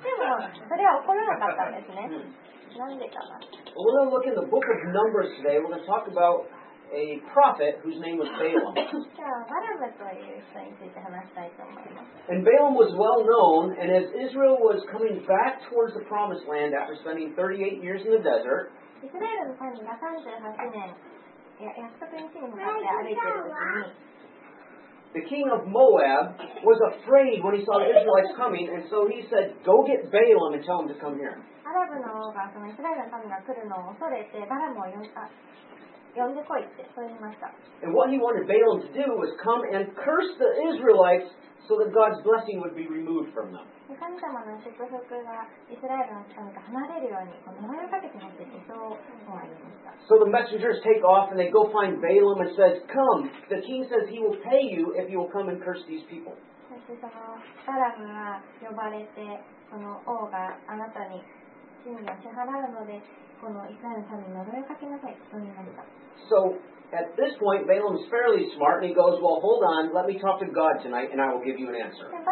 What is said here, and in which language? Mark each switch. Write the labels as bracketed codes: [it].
[en] Well, we're going to look in the book of Numbers today. We're going to talk about a prophet whose name was Balaam. And Balaam was well known, and as Israel was coming back towards the promised land after spending 38 years in the desert, [ja] イスラエルの民が38年、約束の地に向かって歩いているときに、 [en] The king of Moab was afraid when he saw the Israelites coming, and so he said, Go get Balaam and tell him to come here. [ja] アラブの王がそのイスラエルの民が来るのを恐れて、バラムを呼んでこいって、そう言いました。 [en] And what he wanted Balaam to do was come and curse the Israelites so that God's blessing would be removed from them. [ja] 神様の祝福がイスラエルの民から離れるように呪いをかけてもらって、そう思いました。 [en] So the messengers take off and they go find Balaam and says, Come, the king says he will pay you if you will come and curse these people. [ja] そしてそのバラムが呼ばれて、その王があなたに罪を支払うので、このイスラエルの民に呪いをかけなさい、と言いました。 [en] So,At this point, Balaam is fairly smart, and he goes, well, hold on, let me talk to God tonight, and I will give you an answer.